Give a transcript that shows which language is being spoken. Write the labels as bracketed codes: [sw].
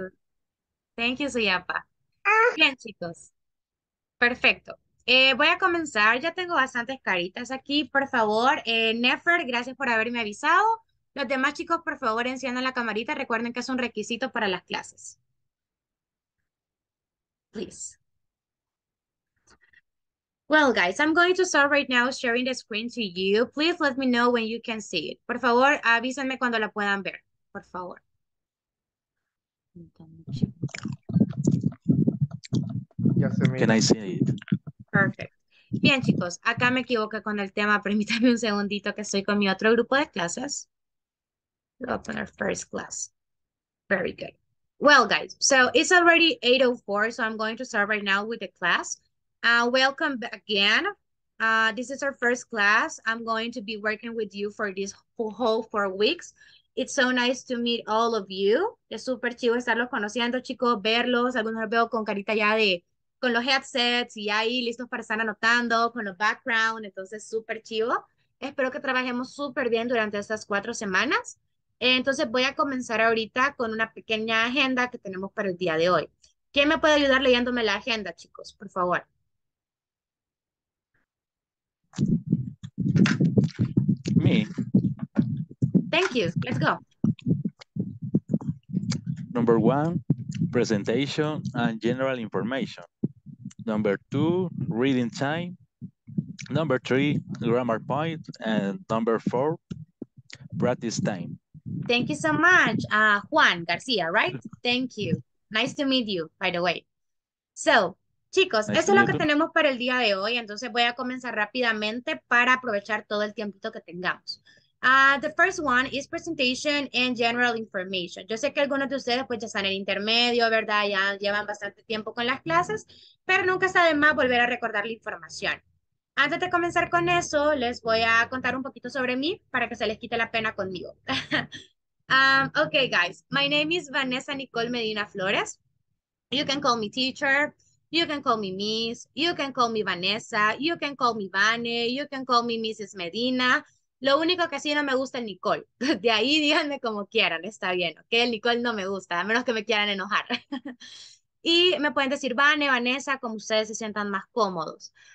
[en] you. Thank you, [es] Suyapa. Bien, chicos. Perfecto. Voy a comenzar. Ya tengo bastantes caritas aquí. Por favor, Nefer, gracias por haberme avisado. Los demás chicos, por favor, enciendan la camarita. Recuerden que es un requisito para las clases. [en] Please. Well, guys, I'm going to start right now sharing the screen to you. Please let me know when you can see it. [es] Por favor, avísenme cuando la puedan ver. Por favor. Ya se [en] Can I [es] mira. [en] see it? [es] Perfecto. Bien, chicos, acá me equivoqué con el tema. Permítanme un segundito que estoy con mi otro grupo de clases. [en] We'll open our first class. Very good. Well, guys, so it's already 8:04, so I'm going to start right now with the class. Welcome back again. This is our first class. I'm going to be working with you for this whole 4 weeks. It's so nice to meet all of you. [es] Es súper chido estarlos conociendo, chicos, verlos. Algunos los veo con carita ya de con los headsets y ahí listos para estar anotando, con los background, entonces súper chivo. Espero que trabajemos súper bien durante estas 4 semanas. Entonces voy a comenzar ahorita con una pequeña agenda que tenemos para el día de hoy. ¿Quién me puede ayudar leyéndome la agenda, chicos? Por favor. [en] Me. Thank you. Let's go. Number one, presentation and general information. Number two, reading time. Number three, grammar point. And number four, practice time. Thank you so much, Juan García, right? Thank you. Nice to meet you, by the way. So, chicos, Nice [es] eso es lo que [en] you. [es] tenemos para el día de hoy. Entonces, voy a comenzar rápidamente para aprovechar todo el tiempito que tengamos. [en] The first one is presentation and general information. [es] Yo sé que algunos de ustedes pues ya están en intermedio, ¿verdad? Ya llevan bastante tiempo con las clases, pero nunca está de más volver a recordar la información. Antes de comenzar con eso, les voy a contar un poquito sobre mí para que se les quite la pena conmigo. [en] Okay, guys, my name is Vanessa Nicole Medina Flores. You can call me teacher, you can call me Miss, you can call me Vanessa, you can call me Vane, you can call me Mrs. Medina. [es] Lo único que sí no me gusta es Nicole. De ahí díganme como quieran, está bien, ¿ok? El Nicole no me gusta, a menos que me quieran enojar. Y me pueden decir Vane, Vanessa, como ustedes se sientan más cómodos.